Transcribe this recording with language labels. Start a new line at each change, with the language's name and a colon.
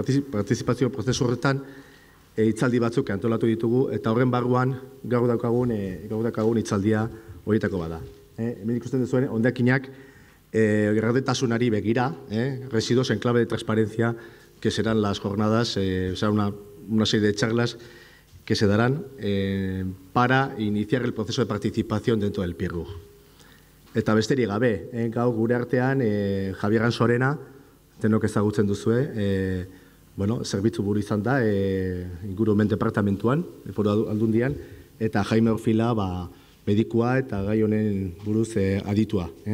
Basque: Partizipazio prozesu horretan itzaldi batzuk antolatu ditugu, eta horren barruan gaur daukagun itzaldia horietako bada. Hemen ikusten duzuen, hondakinak gardentasunari begira,
Spanish: residuos en clave de transparencia, que serán las jornadas, será una serie de charlas que se darán para iniciar el proceso de participación dentro del PIRRUG.
Basque: Eta besterik gabe, gau gure artean Javier Ansorena, denok ezagutzen duzue, bueno, zerbitzu buru izan da, ingurumen departamentuan, foru aldundian, eta Jaime Orfila, ba, medikua eta gai honen buruz aditua.